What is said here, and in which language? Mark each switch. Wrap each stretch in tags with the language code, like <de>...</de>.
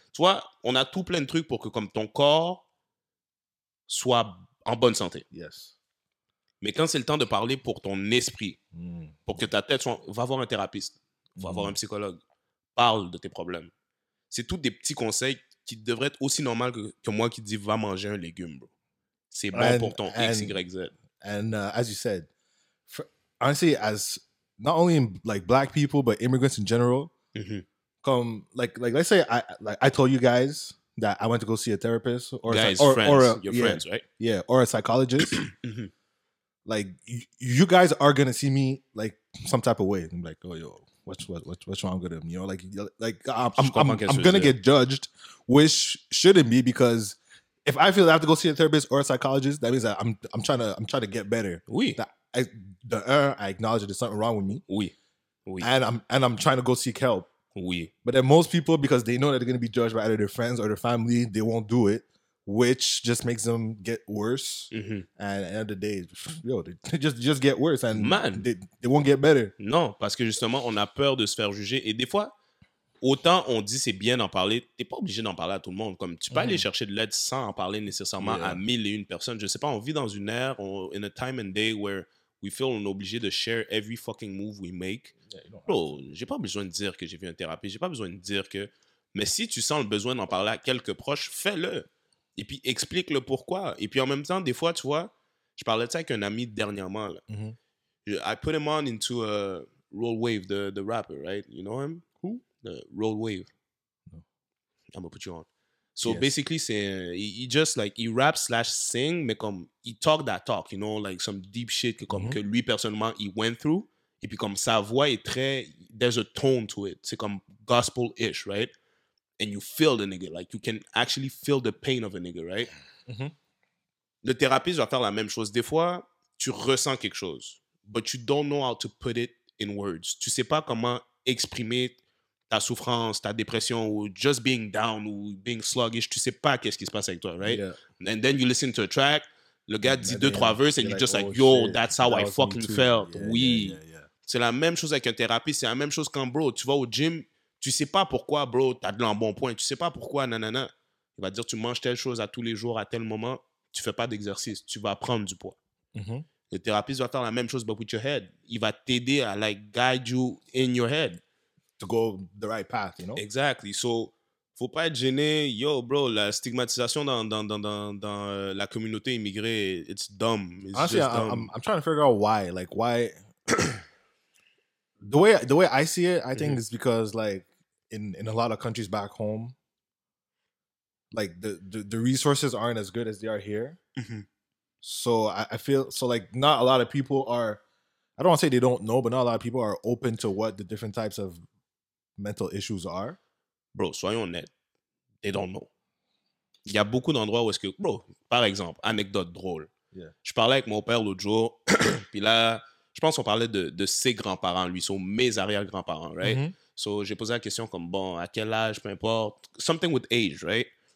<fr>Tu vois, on a tout plein de trucs pour que comme ton corps soit en bonne santé.</fr> <en>Yes.</en> <fr>Mais quand c'est le temps de parler pour ton esprit, pour que ta tête soit... Va voir un thérapeute, va voir un psychologue, parle de tes problèmes. C'est tous des petits conseils qui devraient être aussi normal que moi qui dis va manger un légume, bro. C'est bon pour ton X, Y, Z.</fr> <en>And as you said, honestly, as not only in, like black people, but immigrants in general, mm-hmm. comme, like let's say I told you guys that I went to go see a therapist or guys, or, friends, or a, your yeah, friends, right? Yeah, or a psychologist. like you guys are gonna see me like some type of way. I'm like, oh yo, what's wrong with him? You know, like I'm gonna get judged, which shouldn't be because if I feel that I have to go see a therapist or a psychologist, that means that I'm trying to get better.</en> <fr>Oui.</fr> <en>I acknowledge that there's something wrong with me.</en> <fr>Oui. Oui.</fr> <en>And I'm trying to go seek help.</en> <fr>Oui.</fr> <en>But then most people, because they know that they're gonna be judged by either their friends or their family, they won't do it, which just makes them get worse. Mm-hmm. And at the end of the day, yo, they just get worse and man, they won't get better.</en> <fr>Non, parce que justement, on a peur de se faire juger. Et des fois, autant on dit c'est bien d'en parler, t'es pas obligé d'en parler à tout le monde. Comme tu peux aller chercher de l'aide sans en parler nécessairement à mille et une personnes. Je sais pas, on vit dans une ère,</fr> <en>in a time and day where we feel</en> <fr>on est obligé de</fr> <en>share every fucking move we make.</en> <fr>Bro, j'ai pas besoin de dire que j'ai vu un thérapeute, j'ai pas besoin de dire que... Mais si tu sens le besoin d'en parler à quelques proches, fais-le. Et puis explique le pourquoi. Et puis en même temps, des fois, tu vois, je parlais de ça avec un ami dernièrement.</fr> <en>Là. Mm-hmm. I put him on into a Roll Wave, the rapper, right? You know him? Who? The Roll Wave. No. I'm gonna put you on. So yes. Basically, c'est, he just like, he rap slash sing,</en> <fr>mais comme,</fr> <en>he talk that talk, you know, like some deep shit</en> <fr>que, comme, que lui, personnellement,</fr> <en>he went through.</en> <fr>Et puis comme sa voix est très,</fr> <en>there's a tone to it.</en> <fr>C'est comme gospel-ish, right?</fr> <en>And you feel the nigga, like you can actually feel the pain of a nigga, right? Mm-hmm.</en> <fr>Le thérapeute va faire la même chose. Des fois, tu ressens quelque chose,</fr> <en>but you don't know how to put it in words.</en> <fr>Tu sais pas comment exprimer ta souffrance, ta dépression, ou</fr> <en>just being down,</en> <fr>ou</fr> <en>being sluggish.</en> <fr>Tu sais pas qu'est-ce qui se passe avec toi, right?</fr> <en>Yeah. And then you listen to a track,</en> <fr>le gars dit deux, trois verses,</fr> <en>and you're like, just like, yo, shit, that's how that I fucking felt. Yeah, oui. Yeah, yeah, yeah.</en> <fr>C'est la même chose avec un thérapeute, c'est la même chose quand, bro, tu vas au gym, tu sais pas pourquoi, bro, t'as de l'embonpoint, tu sais pas pourquoi, nanana. Il va dire, tu manges telle chose à tous les jours, à tel moment, tu fais pas d'exercice, tu vas prendre du poids. Mm-hmm. Le thérapeute va faire la même chose,</fr> <en>but with your head.</en> <fr>Il va t'aider à,</fr> <en>like, guide you in your head. To go the right path, you know?</en> <fr>Exactly. So, faut pas être gêné. Yo, bro, la stigmatisation dans la communauté immigrée,</fr> <en>it's dumb. It's honestly, just dumb. I'm trying to figure out why. Like, why... The way I see it, I think, is because, like, in a lot of countries back home, like, the resources aren't as good as they are here. So, I feel... So, like, not a lot of people are... I don't want to say they don't know, but not a lot of people are open to what the different types of mental issues are. Bro,</en> <fr>soyons honnêtes.</fr> <en>They don't know.</en> <fr>Il y a beaucoup d'endroits où est-ce que... Bro, par exemple, anecdote drôle.</fr> <en>Yeah.</en> <fr>Je parlais avec mon père l'autre jour, puis là... Je pense qu'on parlait de ses grands-parents, lui, sont mes arrière-grands-parents, right? Mm-hmm. So, j'ai posé la question comme, bon, à quel âge, peu importe,</fr> <en>something with age, right?</en>